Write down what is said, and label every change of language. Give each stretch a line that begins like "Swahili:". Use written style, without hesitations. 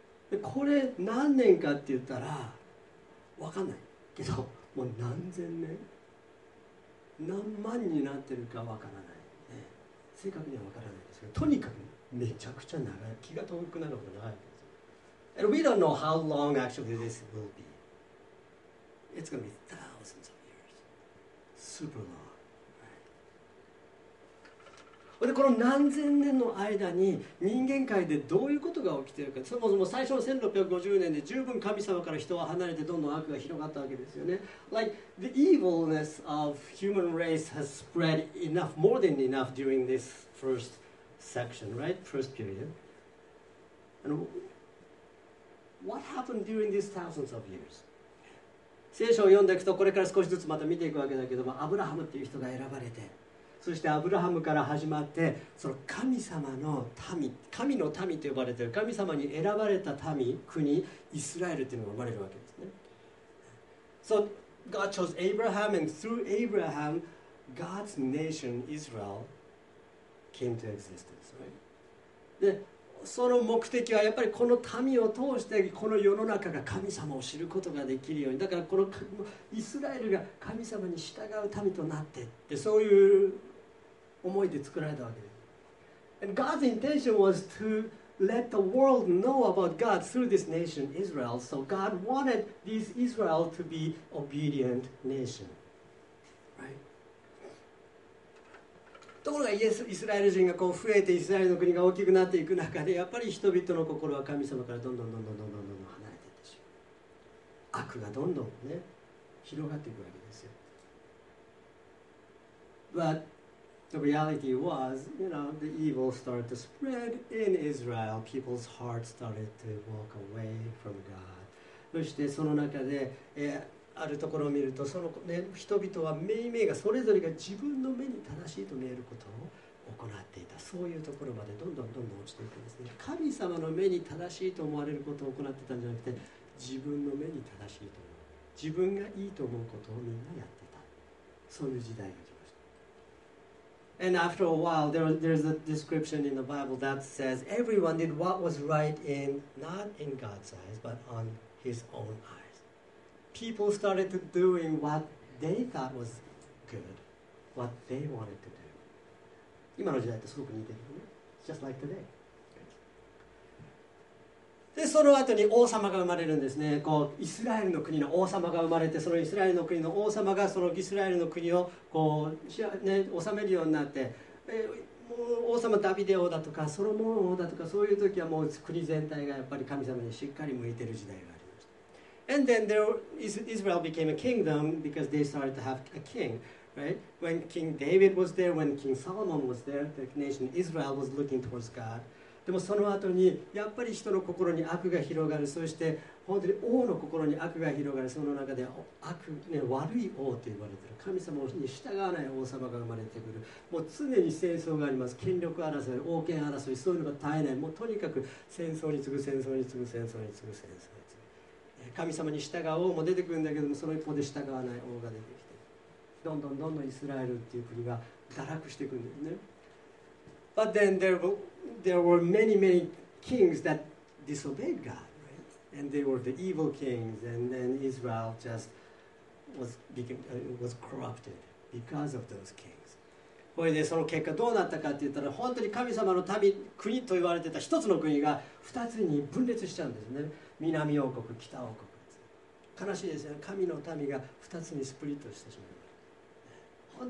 Japanese: でこれ何年かって言ったら、分かんないけど、もう何千年、何万になってるか分からない、ね。正確には分からないですけど、とにかくめちゃくちゃ長い、気が遠くなるほど長いです。
English: And we don't know how long actually this will be. It's gonna be thousands. Super long.
Japanese: でこの何千年の間に人間界でどういうことが起きているか、そもそも最初の1650年で十分神様から人は離れてどんどん悪が広がったわけですよね。
English: Like the evilness of human race has spread enough, more than enough during this first section, right? First period. And what happened during these thousands of years?
Japanese: 聖書を読んでいくと、これから少しずつまた見ていくわけだけども、アブラハムっていう人が選ばれて、そしてアブラハムから始まって、その神様の民、神の民と呼ばれている神様に選ばれた民、国イスラエルっていうのが生まれるわけですね。
English: So God chose Abraham, and through Abraham God's nation Israel came to existence、right?
Japanese: でその目的はやっぱりこの民を通してこの世の中が神様を知ることができるように、だからこのイスラエルが神様に従う民となってって、そういう思いで作られたわけです。
English: And God's intention was to let the world know about God through this nation Israel. So God wanted this Israel to be obedient nation.
Japanese: ところがイスラエル人がこう増えて、イスラエルの国が大きくなっていく中で、やっぱり人々の心は神様からどんどんどんどんどんどんどん離れていってしまう。悪がどんどんね、広がっていくわけですよ。
English: But the reality was, you know, the evil started to spread in Israel. People's hearts started to walk away from God.
Japanese: そしてその中で、あるところを見ると、その人々は目々がそれぞれが自分の目に正しいと見えることを行っていた。そういうところまでどんどんどんどん落ちていくんですね。神様の目に正しいと思われることを行ってたんじゃなくて、自分の目に正しいと思う、自分がいいと思うことをみんなやってた。そういう時代が来ました。
English: And after a while there's a description in the Bible that says everyone did what was right in not in God's eyes but on his own eyes. People started to doing what they thought was good, what they wanted to do.
Japanese: 今の時代とすごく似てるよね。
English: Just like today.
Japanese: でその後に王様が生まれるんですね。こうイスラエルの国の王様が生まれて、そのイスラエルの国の王様がそのイスラエルの国をこう、ね、治めるようになって、もう王様ダビデ王だとかソロモン王だとか、そういう時はもう国全体がやっぱり神様にしっかり向いてる時代がありました。
English: And then there, Israel became a kingdom because they started to have a king, right? When King David was there, when King Solomon was there, the nation Israel was looking towards God.
Japanese: でもその後にやっぱり人の心に悪が広がる、そして本当に王の心に悪が広がる、その中で悪、ね、悪い王と言われている神様に従わない王様が生まれてくる。もう常に戦争があります。権力争い、王権争い、そういうのが絶えない。もうとにかく戦争に次ぐ戦争に次ぐ戦争に次ぐ戦争に次ぐ、神様に従う王も出てくるんだけども、その一方で従わない王が出てきて、どんどんどんどんイスラエルっていう国が堕落していくんだよね。
English: But then there were many, many kings that disobeyed God, right? And they were the evil kings, and then Israel just was corrupted because of those kings.
Japanese: これでその結果どうなったかって言ったら、本当に神様の民、国と言われてた一つの国が二つに分裂しちゃうんですね。南王国、北王国。悲しいですよね。神の民が二つにスプリットしてしまう。